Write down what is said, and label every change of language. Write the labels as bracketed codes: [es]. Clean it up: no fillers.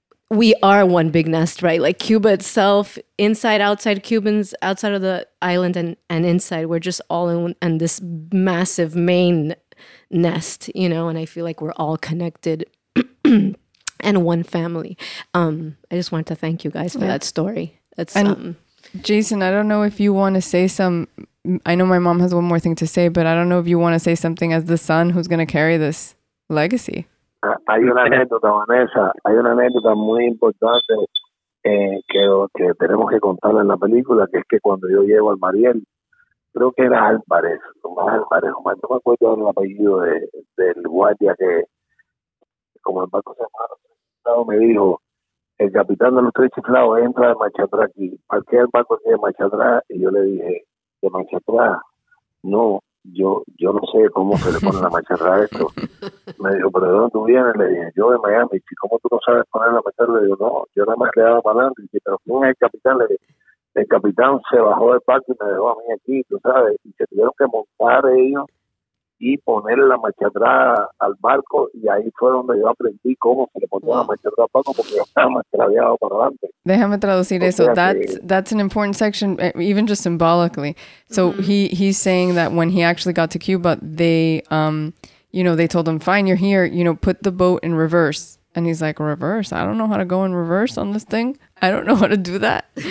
[en] We are one big nest, right? Like Cuba itself, inside, outside, Cubans outside of the island and inside, we're just all in this massive main nest, you know, and I feel like we're all connected and one family. I just want to thank you guys for that story. Jason, I don't know if you want to say some, I know my mom has one more thing to say, but I don't know if you want to say something as the son who's going to carry this legacy. [es] Hay una anécdota, Vanessa, hay una anécdota muy importante que tenemos que contarla en la película, que es que cuando yo llego al Mariel, creo que era Álvarez, no me acuerdo el apellido del guardia, que como el barco se llamaba, me dijo, el capitán de los tres chiflados entra de marcha atrás aquí, parquea el barco aquí de marcha atrás, y yo le dije, ¿de marcha atrás? No. Yo no sé cómo se le pone la marcha atrás a esto. Me dijo, ¿pero de dónde tú vienes? Le dije, yo de Miami. ¿Y cómo tú no sabes poner la marcha atrás? Le digo, no, yo nada más le daba para adelante. Y dije, pero ¿quién es el capitán? Le dije, el capitán se bajó del parque y me dejó a mí aquí, tú sabes. Y se tuvieron que montar ellos y poner la marcha atrás al barco. Y ahí fue donde yo aprendí cómo se le ponía la marcha atrás al barco, porque yo nada más le había dado para adelante. Déjame traducir eso. [en] So that's an important section, even just symbolically. So he's saying that when he actually got to Cuba, they, you know, they told him, fine, you're here, you know, put the boat in reverse. And he's like, reverse? I don't know how to go in reverse on this thing. I don't know how to do that.